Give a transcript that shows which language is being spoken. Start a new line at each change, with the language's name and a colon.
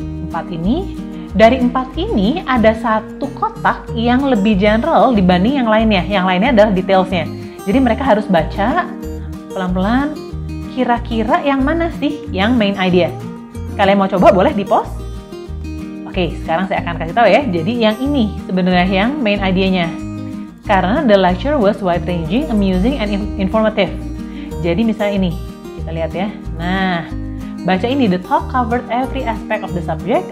Indonesian: Empat ini. Dari empat ini ada satu kotak yang lebih general dibanding yang lainnya. Yang lainnya adalah detailsnya. Jadi mereka harus baca pelan-pelan. Kira-kira yang mana sih yang main idea? Kalian mau coba boleh di pause. Oke, sekarang saya akan kasih tahu ya. Jadi yang ini sebenarnya yang main idenya.
English: Karena the lecture was wide ranging, amusing, and informative.
Indonesian: Jadi misalnya ini, kita lihat ya. Nah, baca ini,
English: the talk covered every aspect of the subject.